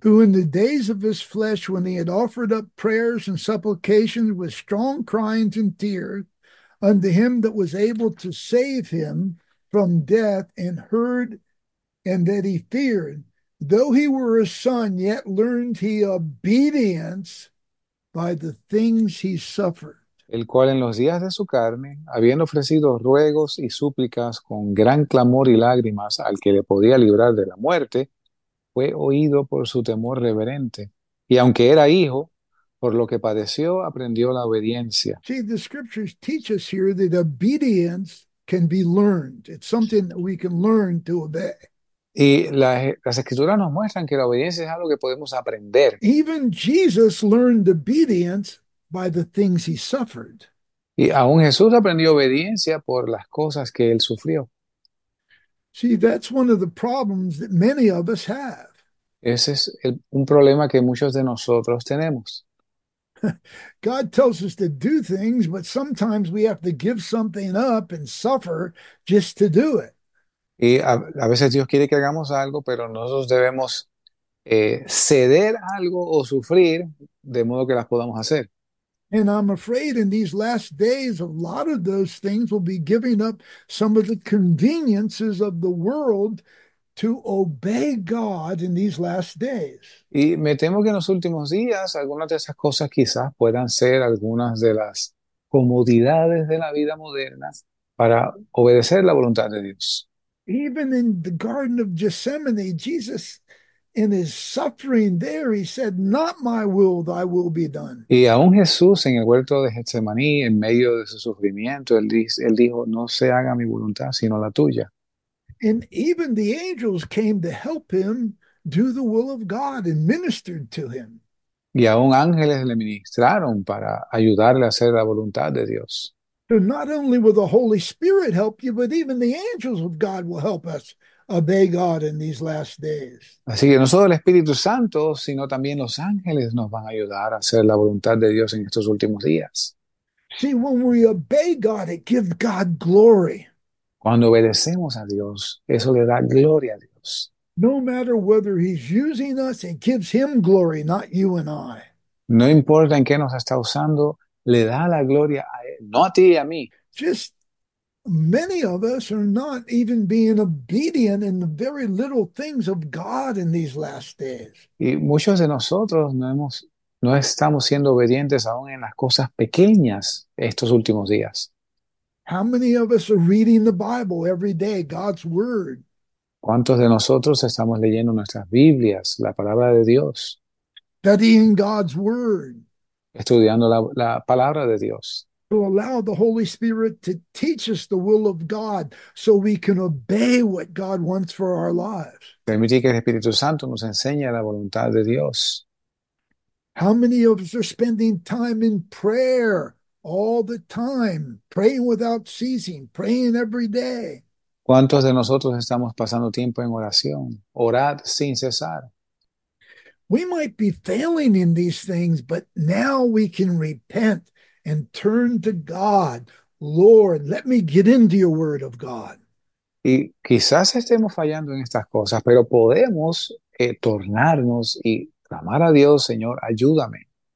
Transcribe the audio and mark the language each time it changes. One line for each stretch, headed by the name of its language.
English: Who in the days of his flesh, when he had offered up prayers and supplications with strong cryings and tears unto him that was able to save him from death, and heard, and that he feared, though he were a son, yet learned he obedience by the things he suffered.
Spanish: El cual en los días de su carne, habiendo ofrecido ruegos y súplicas con gran clamor y lágrimas al que le podía librar de la muerte, fue oído por su temor reverente. Y aunque era hijo, por lo que padeció, aprendió la obediencia.
English: See, the scriptures teach us here that obedience can be learned. It's something that we can learn to obey.
Spanish: Y las escrituras nos muestran que la obediencia es algo que podemos aprender.
English: Even Jesus learned obedience by the things he suffered.
Spanish: Y aún Jesús aprendió obediencia por las cosas que él sufrió.
English: See, that's one of the problems that many of us have.
Spanish: Ese es un problema que muchos de nosotros tenemos.
English: God tells us to do things, but sometimes we have to give something up and suffer just to do it.
Spanish: Y a veces Dios quiere que hagamos algo, pero nosotros debemos ceder algo o sufrir de modo que las podamos hacer.
English: And I'm afraid in these last days, a lot of those things will be giving up some of the conveniences of the world to obey God in these last days.
Spanish: Y me temo que en los últimos días algunas de esas cosas quizás puedan ser algunas de las comodidades de la vida moderna para obedecer la voluntad de Dios.
English: Even in the Garden of Gethsemane, Jesus, in his suffering there, he said, "Not my will, thy will be done."
Spanish: Y aún Jesús en el huerto de Getsemaní, en medio de su sufrimiento, él dijo, no se haga mi voluntad, sino la tuya.
English: And even the angels came to help him do the will of God and ministered to him.
Spanish: Y aún ángeles le ministraron para ayudarle a hacer la voluntad de Dios.
English: So not only will the Holy Spirit help you, but even the angels of God will help us obey God in these last days.
Spanish: Así que no solo el Espíritu Santo, sino también los ángeles nos van a ayudar a hacer la voluntad de Dios en estos últimos días.
English: See, when we obey God, it gives God glory.
Spanish: Cuando obedecemos a Dios, eso le da gloria a Dios.
English: No matter whether he's using us, it gives him glory, not you and I.
Spanish: No importa en qué nos está usando, le da la gloria a él, no a ti y a mí.
English: Just many of us are not even being obedient in the very little things of God in these last days.
Spanish: Y muchos de nosotros no estamos siendo obedientes aún en las cosas pequeñas estos últimos días.
English: How many of us are reading the Bible every day, God's Word?
Spanish: ¿Cuántos de nosotros estamos leyendo nuestras Biblias, la palabra de Dios?
English: Studying God's Word.
Spanish: Estudiando la palabra de Dios.
English: To allow the Holy Spirit to teach us the will of God so we can obey what God wants for our lives.
Spanish: Permitir que el Espíritu Santo nos enseñe la voluntad de Dios.
English: How many of us are spending time in prayer all the time, praying without ceasing, praying every day?
Spanish: ¿Cuántos de nosotros estamos pasando tiempo en oración? Orad sin cesar.
English: We might be failing in these things, but now we can repent and turn to God. Lord, let me get into your word of God.
Spanish: Y quizás estemos fallando en estas cosas, pero podemos tornarnos y clamar a Dios, Señor, ayúdame.